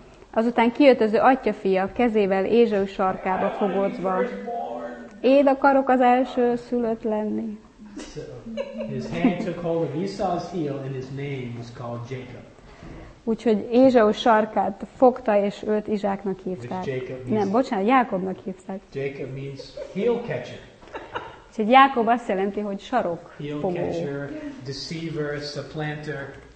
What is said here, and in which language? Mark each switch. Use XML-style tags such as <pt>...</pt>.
<hu>Azután kijött az ő atya fia, kezével Ézsaú sarkába fogódva. Én akarok az első szülött lenni.</hu> <en>So his hand took hold of Esau's heel and his name was called Jacob.</en> <hu>Úgyhogy Ézsau sarkát fogta és őt Izsáknak hívták. Nem, bocsánat, Jákobnak hívták.</hu> <en>Jacob means heel catcher.</en> <hu>Úgyhogy Jákob azt jelenti, hogy sarok fogó.</hu> <en>Heel catcher, deceiver, supplanter.</en>